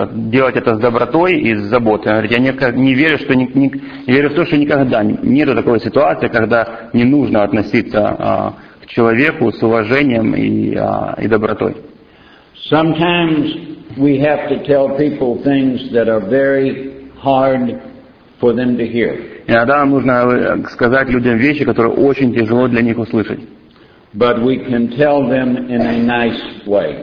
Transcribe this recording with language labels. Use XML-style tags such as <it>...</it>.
<ru>Делать это с добротой и с заботой. Говорит, я не верю, что верю в то, что никогда нету такой ситуации, когда не нужно относиться к человеку с уважением и добротой.</ru> <en>Sometimes we have to tell people things that are very hard for them to hear.</en> <ru>Иногда нам нужно сказать людям вещи, которые очень тяжело для них услышать.</ru> <en>But we can tell them in a nice way.</en>